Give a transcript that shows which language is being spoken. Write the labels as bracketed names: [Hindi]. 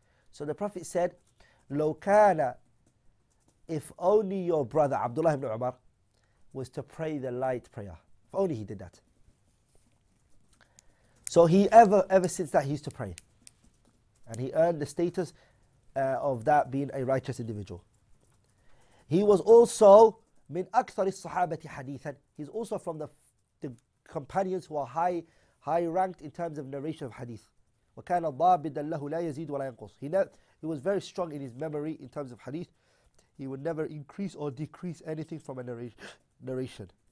[English] So the Prophet said, [Arabic] لو كان, [English] if only your brother, Abdullah ibn Umar, was to pray the night prayer. If only he did that. So he ever since that, he used to pray. And he earned the status of that being a righteous individual. He was also [Arabic] من أكثر الصحابة حديثا. [English] He's also from the companions who are high ranked in terms of narration of hadith. [Arabic] وَكَانَ ضَابِدًا لَهُ لَا يَزِيدُ وَلَا يَنْقُصُ. [English] He was very strong in his memory in terms of hadith. He would never increase or decrease anything from a narration.